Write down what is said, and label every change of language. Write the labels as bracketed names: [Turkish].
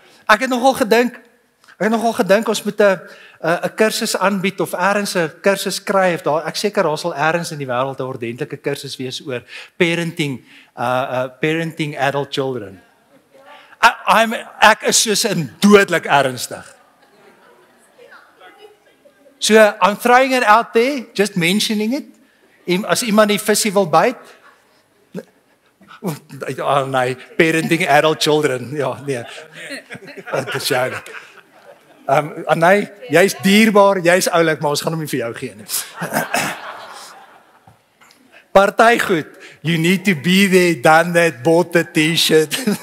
[Afrikaans] Ek het nogal gedink ons moet 'n kursus aanbied of ergens 'n kursus kry of daar ek seker daar sal ergens in die wêreld 'n ordentlike kursus wees oor [English] parenting adult children. [Afrikaans] Ek is soos in dodelik ernstig. [English] So I'm throwing it out there, just mentioning it. [Afrikaans] As iemand die visie wil byt, [English] oh [Afrikaans] nee, [English] parenting adult children, [Afrikaans] ja, nee. Dit is jou. Nee, jy is dierbaar, jy is oulik, maar ons gaan hom nie vir jou gee nie. Party goed, [English] you need to be there, done that, bought the t-shirt.